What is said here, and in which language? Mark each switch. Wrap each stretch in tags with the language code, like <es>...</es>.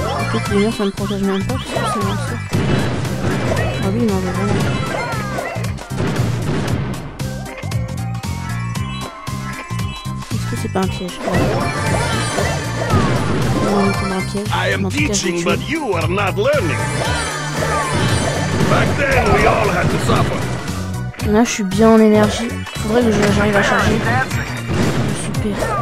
<fr>Peut-être que les murs ça ne protège même pas, parce que c'est bien sûr. Ah oui, non, mais vraiment. Est-ce que c'est pas un piège? Non, non, non, c'est pas un piège.</fr> <en>I am teaching, but you are not learning. Back then, we all had to suffer.</en> <fr>Là, je suis bien en énergie. Faudrait que j'arrive à charger. Super.</fr>